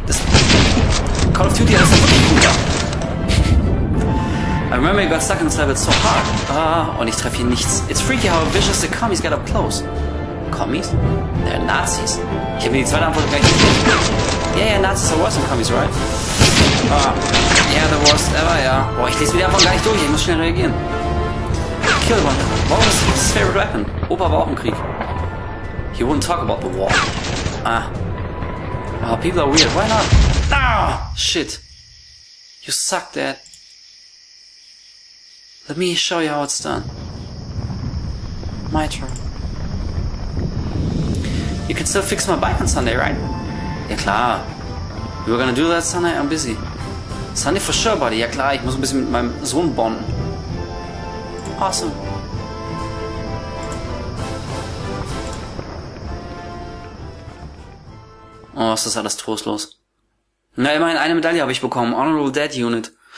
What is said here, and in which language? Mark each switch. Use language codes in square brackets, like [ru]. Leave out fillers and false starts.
[de] Das Call of Duty, das ist wirklich gut. [en] I remember you got stuck in this level so hard. [de] Und ich treffe hier nichts. [en] It's freaky how vicious the commies get up close. Commies? They're Nazis. [de] Ich habe mir die zweite Antwort gleich gesehen. [en] Yeah, yeah, Nazis are worse than commies, right? Yeah, the worst ever, ja. [de] Boah, ich lese mir die Antwort gar nicht durch, ich muss schnell reagieren. [en] Kill one. What was his favorite weapon? [de] Opa war auch im Krieg. [en] He wouldn't talk about the war. Oh, people are weird, why not? Ah! Shit. You suck, Dad. Let me show you how it's done. My turn. You can still fix my bike on Sunday, right? [de] Ja klar. [en] We're gonna do that Sunday, I'm busy. Sunday for sure, buddy. [de] Ja klar, ich muss ein bisschen mit meinem Sohn bonden. [en] Awesome. [de] Oh, ist das alles trostlos. Na, immerhin eine Medaille habe ich bekommen. [en] Honorable Dad Unit.